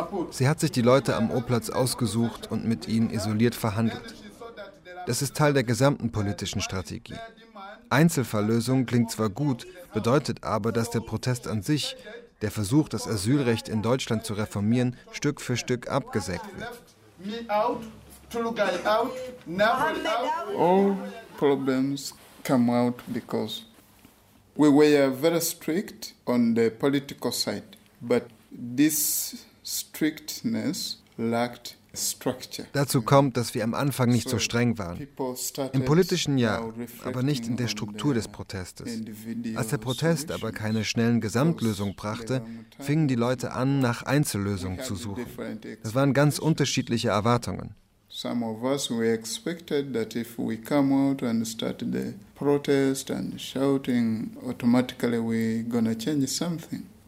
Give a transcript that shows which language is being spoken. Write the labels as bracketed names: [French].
[German] Sie hat sich die Leute am O-Platz ausgesucht und mit ihnen isoliert verhandelt. Das ist Teil der gesamten politischen Strategie. Einzelfalllösung klingt zwar gut, bedeutet aber, dass der Protest an sich, der Versuch, das Asylrecht in Deutschland zu reformieren, Stück für Stück abgesägt wird. [English] All problems come out because we were very strict on the political side, but this strictness lacked structure. [German] Dazu kommt, dass wir am Anfang nicht so streng waren. Im politischen Jahr, aber nicht in der Struktur des Protestes. Als der Protest aber keine schnellen Gesamtlösungen brachte, fingen die Leute an, nach Einzellösungen zu suchen. Das waren ganz unterschiedliche Erwartungen. [English] Some of us were expected that if we come out and start the protest and shouting, automatically we're gonna change something.